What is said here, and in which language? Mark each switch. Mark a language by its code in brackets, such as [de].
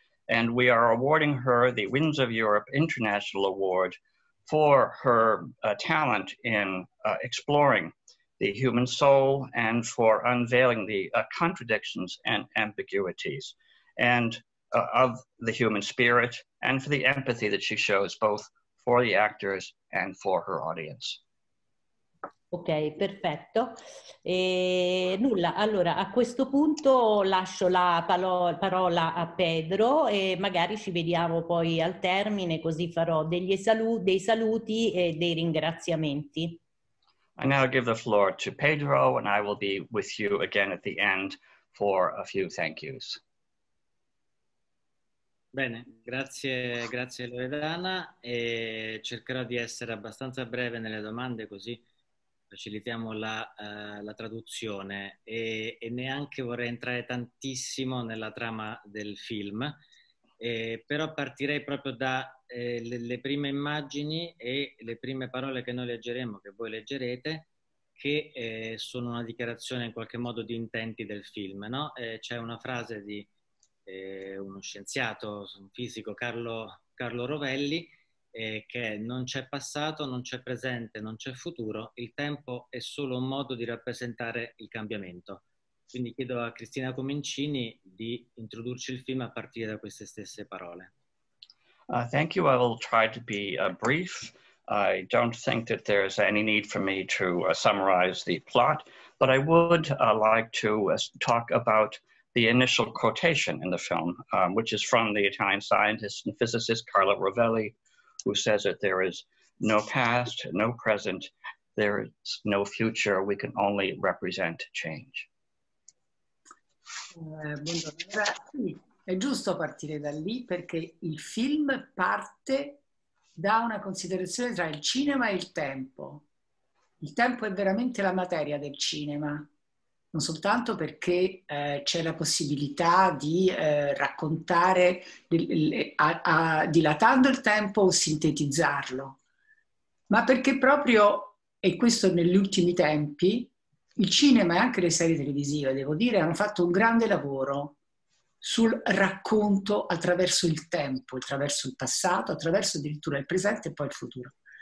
[en] And we are awarding her the Winds of Europe International Award for her talent in exploring the human soul and for unveiling the contradictions and ambiguities and of the human spirit and for the empathy that she shows both for the actors and for her audience. [it] Ok, perfetto. E nulla, allora a questo punto lascio la parola a Pedro e magari ci vediamo poi al termine, così farò dei saluti e dei ringraziamenti. [en] I now give the floor to Pedro, and I will be with you again at the end for a few thank yous. [it] Bene, grazie, grazie Loredana e cercherò di essere abbastanza breve nelle domande così facilitiamo la traduzione e neanche vorrei entrare tantissimo nella trama del film, però partirei proprio dalle prime immagini e le prime parole che noi leggeremo, che voi leggerete, che sono una dichiarazione in qualche modo di intenti del film, no? C'è una frase di uno scienziato, un fisico, Carlo Rovelli. Che non c'è passato, non c'è presente, non c'è futuro, il tempo è solo un modo di rappresentare il cambiamento. Quindi chiedo a Cristina Comencini di introdurci il film a partire da queste stesse parole. [en] Thank you. I will try to be brief. I don't think that there's any need for me to summarize the plot, but I would like to talk about the initial quotation in the film, which is from the Italian scientist and physicist Carlo Rovelli, who says that there is no past, no present, there is no future, we can only represent change. [it] Buongiorno. È giusto partire da lì perché il film parte da una considerazione tra il cinema e il tempo. Il tempo è veramente la materia del cinema, non non soltanto perché c'è la possibilità di raccontare, dilatando il tempo o sintetizzarlo, ma perché proprio, e questo negli ultimi tempi, il cinema e anche le serie televisive, devo dire, hanno fatto un grande lavoro sul racconto attraverso il tempo, attraverso il passato, attraverso addirittura il presente e poi il futuro.